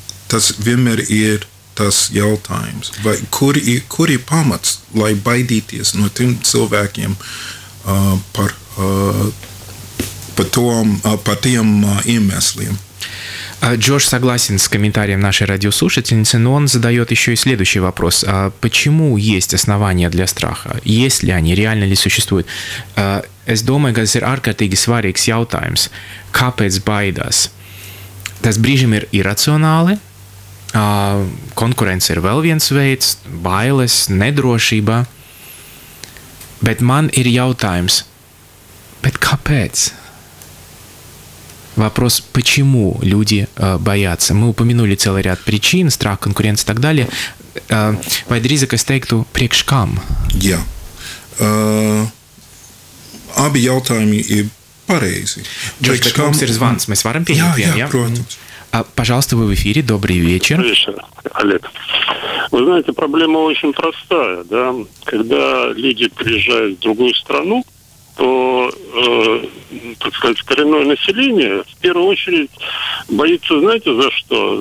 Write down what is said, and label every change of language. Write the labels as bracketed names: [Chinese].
[Latvian] Tas vienmēr ir tas jautājums. Vai kur ir pamats, lai baidīties no tiem cilvēkiem par tiem iemesliem? [Russian] Джош согласен с комментарием нашей радиослушательницы, но он задает еще и следующий вопрос. Почему есть основания для страха? Есть ли они? Реально ли существуют? [Latvian] Es domāju, ka tas ir ārkārtīgi svarīgs jautājums. Kāpēc baidās? Tas brīžiem ir iracionāli. Konkurence ir vēl viens veids. Bailes, nedrošība. Bet man ir jautājums. Bet kāpēc? [Russian] Вопрос, почему люди боятся? Мы упомянули целый ряд причин, страх, конкуренция и так далее. [Latvian] Vai drīzāk es teiktu, priekš kam? Jā. Abi jautājumi ir pareizi. Джош, bet mums ir zvans, mēs varam pieņemt? Jā, protams. [Russian] Пожалуйста, вы в эфире, добрый вечер. Добрый вечер, Олег. Вы знаете, проблема очень простая, да? Когда люди приезжают в другую страну, то, так сказать, коренное население в первую очередь боится, знаете, за что?